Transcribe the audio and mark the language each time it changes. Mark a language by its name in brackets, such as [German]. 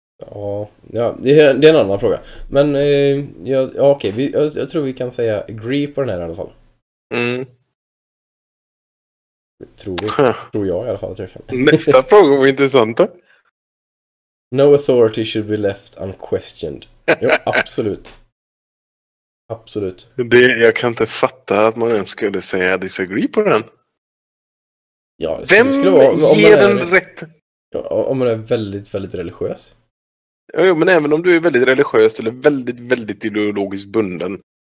[Swedish] Ja, det är en annan fråga. Men ja, okej, jag tror vi kan säga agree på den här i alla fall. Mm. Tror jag i alla fall att jag kan. Nästa fråga var intressant. [English] No authority should be left unquestioned. [Swedish] Ja, absolut. Absolut. Det, jag kan inte fatta att man ens skulle säga disagree på den. Ja, vem skulle vara, om ger är, den rätt? Om man är väldigt, väldigt religiös. Ja, jo, men även om du är väldigt religiös eller väldigt, väldigt ideologiskt bunden.